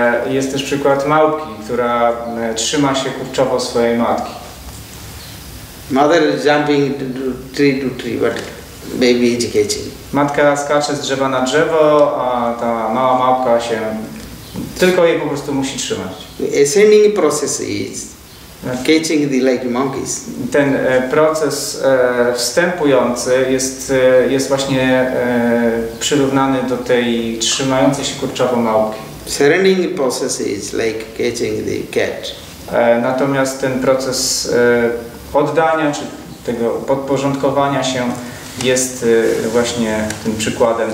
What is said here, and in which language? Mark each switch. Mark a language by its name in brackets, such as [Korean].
[Polish] Jest też przykład małpki, która trzyma się kurczowo swojej matki. [English] Mother is jumping to tree to tree, but baby is catching. [Polish] Matka skacze z drzewa na drzewo, a ta mała małpka się tylko jej po prostu musi trzymać. [English] Ascending process is catching the like monkeys. [Polish] Ten proces wstępujący jest właśnie przyrównany do tej trzymającej się kurczowo małpki. [English] Surrendering process is like catching the cat. [Polish] Natomiast ten proces oddania czy tego podporządkowania się jest właśnie tym przykładem